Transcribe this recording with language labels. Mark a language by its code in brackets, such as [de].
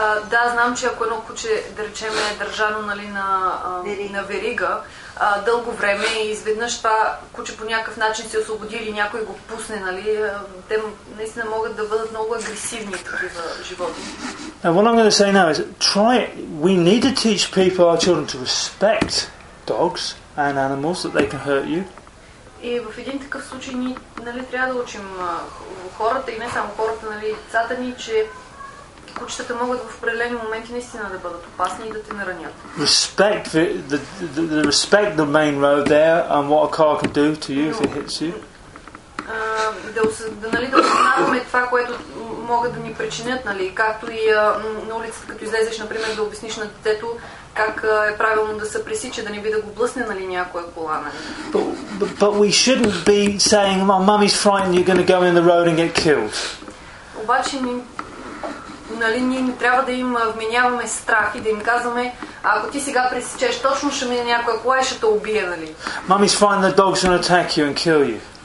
[bg] Да, знам, че ако едно куче, да речем, е държано, нали, на верига дълго време и изведнъж това куче по някакъв начин се освободи или някой го пусне, нали, те наистина могат да бъдат много агресивни такива животни. [en] What I'm going to say now is, try it. We need to teach people, our children, to respect dogs and animals, that they can hurt you. [bg] И в един такъв случай ние, нали, трябва да учим хората и не само хората, нали, децата ни, че кучетата могат в определени моменти наистина да бъдат опасни и да те наранят. [en] Respect the main road there and what a car can do to you if it hits you. [bg] Да осъзнаваме това, което могат да ни причинят, нали, както и на улицата, като излезеш, например, да обясниш на детето как е правилно да се пресича, да не би да го блъсне, нали, някоя кола, нали? [en] But we shouldn't be saying, "My mummy's frightened, you're going to go in the road and get killed." [bg] Обаче ни, нали, ние не трябва да им вменяваме страх и да им казваме, ако ти сега пресечеш, точно ще мине някоя кола и ще те убие, нали? [en] Mummy's frightened, the dog's going to attack you and kill you.